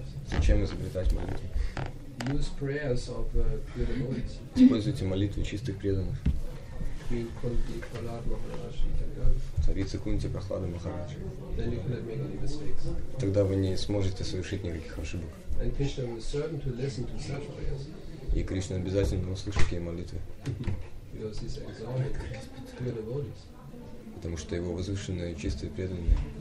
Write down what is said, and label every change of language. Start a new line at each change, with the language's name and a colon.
Russian: Зачем изобретать молитвы?
English: Use prayers of pure devotees.
Russian: Используйте молитвы чистых преданных.
English: Queen Kunti Prahlada Maharaj
Russian: и так далее. Царица Кунти Прохлада Махарадж.
English: Then you cannot make any mistakes.
Russian: Тогда вы не сможете совершить никаких ошибок.
English: And Krishna is certain to listen to such prayers.
Russian: И Кришна обязательно услышит такие молитвы.
English: Because he's exalted pure devotees.
Russian: Потому что его возвышенные чистые преданные.